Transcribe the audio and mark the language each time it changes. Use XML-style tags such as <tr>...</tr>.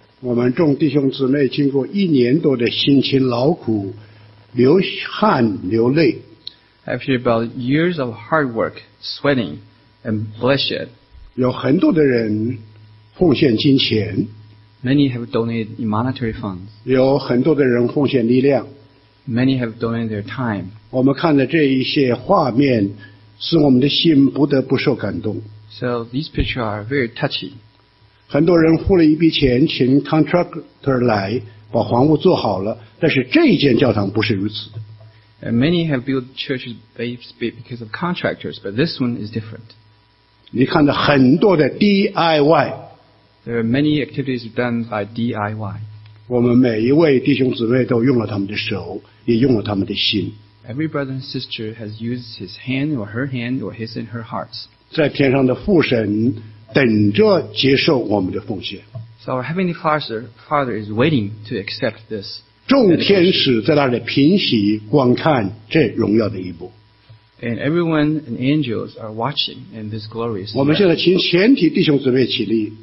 <zh>我们众弟兄姊妹经过一年多的辛勤劳苦，流汗流泪。</zh> <en>After about years of hard work, sweating, and bloodshed,</en> <zh>有很多的人奉献金钱,</zh> <en>many have donated monetary funds,</en> <zh>有很多的人奉献力量,</zh> <en>many have donated their time.</en> <zh>我们看的这一些画面, 使我们的心不得不受感动。</zh> <en>So these pictures are very touching.</en> <zh>很多人付了一笔钱, 请contractor来, 把房屋做好了, 但是这一间教堂不是如此的。</zh> <en>And many have built churches because of contractors, but this one is different.</en> <zh>你看到很多的DIY,</zh> <en>there are many activities done by DIY.</en> <zh>我们每一位弟兄姊妹都用了他们的手, 也用了他们的心。</zh> <en>Every brother and sister has used his hand or her hand or his and her hearts.</en> <zh>在天上的父神等着接受我们的奉献。</zh> <en>So our Heavenly Father is waiting to accept this.</en> <zh>众天使在那里平息观看这荣耀的一步。</zh> <en>And everyone and angels are watching in this glorious day.</en> <zh>我们现在请全体弟兄姊妹起立。</zh>